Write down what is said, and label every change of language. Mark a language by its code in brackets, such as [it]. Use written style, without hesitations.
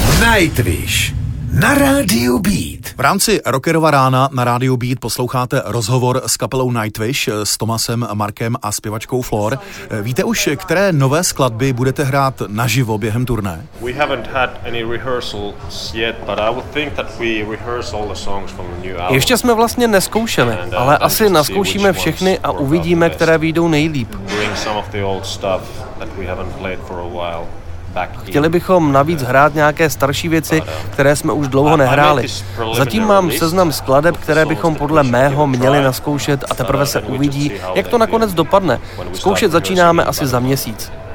[cs] Nightwish na Rádiu Beat. V rámci Rockerova rána na Rádiu Beat posloucháte rozhovor s kapelou Nightwish, s Tomasem, Markem a zpěvačkou Flor. Víte už, které nové skladby budete hrát naživo během turné? [en] We haven't had any rehearsals yet, but I would think that we rehearse all the songs from the new album. [cs] Ještě jsme vlastně neskoušeli, ale asi naskoušíme všechny a uvidíme, které vyjdou nejlíp. [en] Bring some of the old stuff that we haven't played for a while. [cs] Chtěli bychom navíc hrát nějaké starší věci, které jsme už dlouho nehráli. Zatím mám seznam skladeb, které bychom podle mého měli naskoušet a teprve se uvidí, jak to nakonec dopadne. Zkoušet začínáme asi za měsíc.